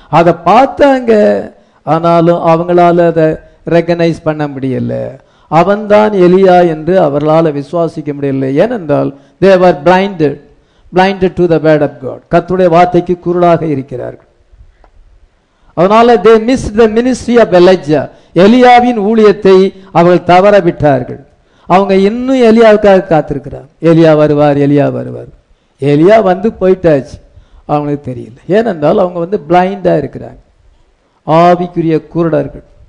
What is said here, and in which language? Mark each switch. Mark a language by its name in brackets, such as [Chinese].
[Tamil] அதை பார்த்தாங்க, ஆனாலும் அவங்களால அதை ரெகனைஸ் பண்ண முடியல. அவன்தான் எலியா என்று அவர்களால் விசுவாசிக்க முடியல. ஏனென்றால் [English] they were blinded. Blinded to the word of God. [Tamil] கர்த்தருடைய வார்த்தைக்கு குருளாக இருக்கிறார்கள். அதனால [English] they missed the ministry of Elijah. [Tamil] எலியாவின் ஊழியத்தை அவர்கள் தவற விட்டார்கள். அவங்க இன்னும் எலியாவுக்காக காத்திருக்கிறார். எலியா வருவார், எலியா வருவார். எலியா வந்து போயிட்டாச்சு, அவங்களுக்கு தெரியல. ஏனென்றால் அவங்க வந்து பிளைண்டா இருக்கிறாங்க, ஆவிக்குரிய குருடர்கள்.